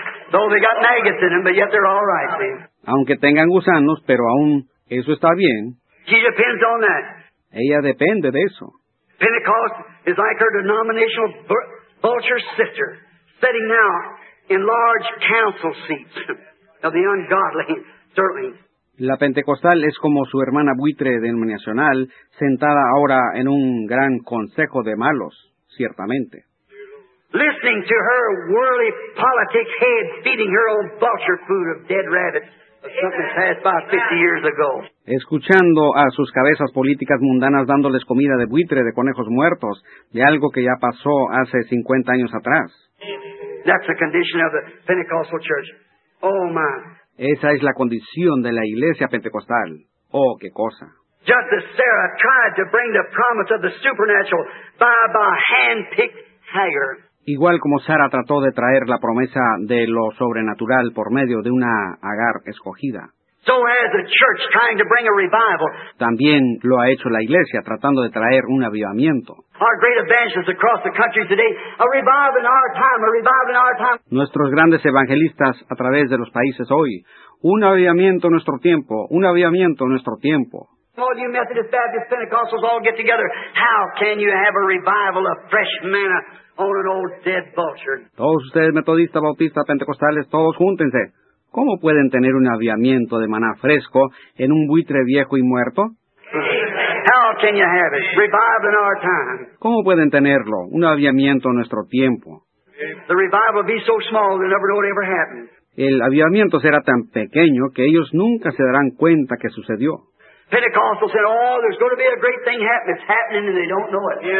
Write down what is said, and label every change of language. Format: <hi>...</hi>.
<en>Though they got maggots in them, but yet they're all right, see.</en> <es>Aunque tengan gusanos, pero aún eso está bien.</es> <en>She depends on that.</en> <es>Ella depende de eso.</es> <en>Pentecost is like her denominational vulture sister, sitting now in large council seats of the ungodly, certainly.</en> <es>La pentecostal es como su hermana buitre denominacional, sentada ahora en un gran consejo de malos, ciertamente.</es> <en>Listening to her worldly politics head feeding her old vulture food of dead rabbits. Something passed by 50 years ago.</en> <es>Escuchando a sus cabezas políticas mundanas dándoles comida de buitre, de conejos muertos, de algo que ya pasó hace 50 años atrás.</es> <en>That's the condition of the Pentecostal church. Oh, my.</en> <es>Esa es la condición de la iglesia pentecostal. Oh, qué cosa.</es> <en>Just as Sarah tried to bring the promise of the supernatural by hand-picked Hagar.</en> <es>Igual como Sara trató de traer la promesa de lo sobrenatural por medio de una Agar escogida.</es> <en>So has the church trying to bring a revival.</en> <es>También lo ha hecho la iglesia tratando de traer un avivamiento.</es> <en>Our great evangelists across the country today, a revival in our time, a revival in our time.</en> <es>Nuestros grandes evangelistas a través de los países hoy, un avivamiento en nuestro tiempo, un avivamiento en nuestro tiempo.</es> <en>All you Methodist, Baptist, Pentecostals all get together. How can you have a revival of fresh manna? On an old dead vulture.</en> <es>Todos ustedes, metodistas, bautistas, pentecostales, todos júntense. ¿Cómo pueden tener un avivamiento de maná fresco en un buitre viejo y muerto?</es> <en>How can you have it? Revival in our time.</en> <es>¿Cómo pueden tenerlo? Un avivamiento en nuestro tiempo.</es> <en>The revival will be so small they never know it ever happened.</en> <es>El avivamiento será tan pequeño que ellos nunca se darán cuenta que sucedió.</es> <en>Pentecostals said, oh, there's going to be a great thing happening. It's happening and they don't know it.</en>